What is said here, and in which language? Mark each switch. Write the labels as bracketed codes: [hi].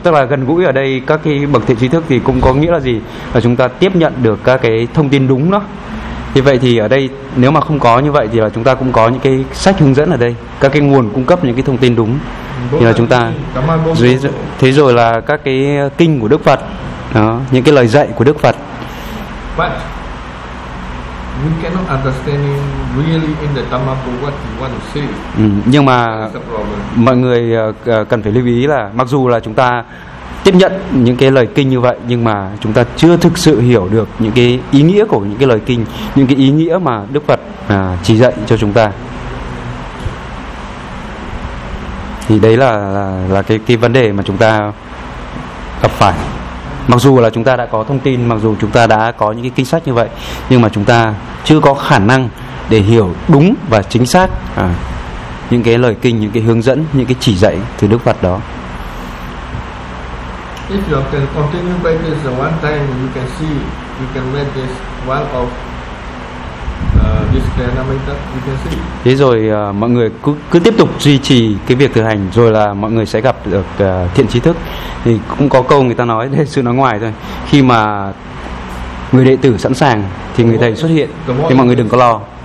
[vi] Tức là gần gũi ở đây các cái bậc thiện trí thức thì cũng có nghĩa là gì là chúng ta tiếp nhận được các cái thông tin đúng đó. Thì vậy thì ở đây nếu mà không có như vậy thì là chúng ta cũng có những cái sách hướng dẫn ở đây, các cái nguồn cung cấp những cái thông tin đúng. Thì là chúng ta dưới thế rồi là các cái kinh của Đức Phật đó, những cái lời dạy của Đức Phật. [en] But we cannot understand really in the Dhamma book what you want to say. [vi] Nhưng mà mọi người cần phải lưu ý là mặc dù là chúng ta tiếp nhận những cái lời kinh như vậy nhưng mà chúng ta chưa thực sự hiểu được những cái ý nghĩa của những cái lời kinh, những cái ý nghĩa mà Đức Phật chỉ dạy cho chúng ta. Thì đấy là cái vấn đề mà chúng ta gặp phải. Mặc dù là chúng ta đã có thông tin, mặc dù chúng ta đã có những cái kinh sách như vậy, nhưng mà chúng ta chưa có khả năng để hiểu đúng và chính xác những cái lời kinh, những cái hướng dẫn, những cái chỉ dạy từ Đức Phật đó. [en] If you can continue by this one time, you can see, you can make this one of this Kalyanamitta, you can see. [vi] Thế rồi mọi người cứ tiếp tục duy trì cái việc thực hành, rồi là mọi người sẽ gặp được thiện trí thức. Thì cũng có câu người ta nói, đây sự nói ngoài thôi. Khi mà người đệ tử sẵn sàng thì người thầy xuất hiện, thì mọi người đừng có lo.